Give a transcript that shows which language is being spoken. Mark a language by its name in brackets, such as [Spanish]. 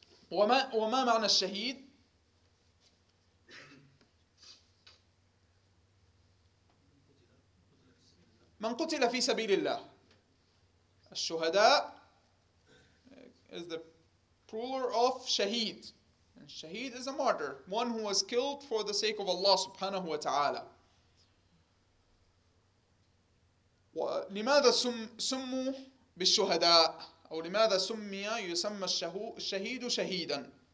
[Arabic] وما معنى الشهيد؟ من قتل في سبيل الله. [English] الشهداء is the plural of شهيد. الشهيد is a martyr, one who was killed for the sake of Allah [Arabic] سبحانه وتعالى. ولماذا سموا بالشهداء أو لماذا يسمى الشهيد شهيدا؟